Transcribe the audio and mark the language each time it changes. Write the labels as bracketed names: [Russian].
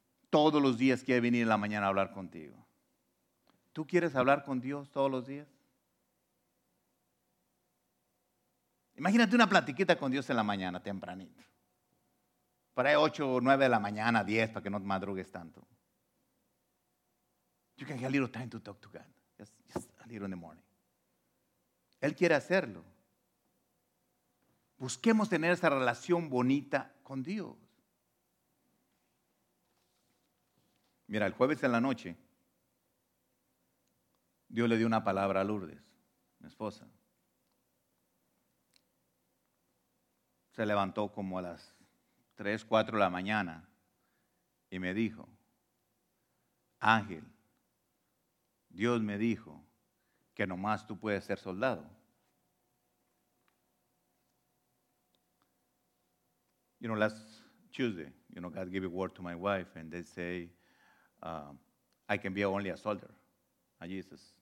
[Spanish] Todos los días quiere venir en la mañana a hablar contigo. ¿Tú quieres hablar con Dios todos los días? Imagínate una platiquita con Dios en la mañana, tempranito. Por ahí 8 o 9 de la mañana, 10, para que no madrugues tanto. [English] You can get a little time to talk to God. Just a little in the morning. [Spanish] Él quiere hacerlo. Busquemos tener esa relación bonita con Dios. Mira, el jueves en la noche, Dios le dio una palabra a Lourdes, mi esposa. Se levantó como a las 3, 4 de la mañana y me dijo, Ángel, Dios me dijo que nomás tú puedes ser soldado. [English] You know, last Tuesday, you know, God gave a word to my wife and they say, I can be only a soldier, a Jesus.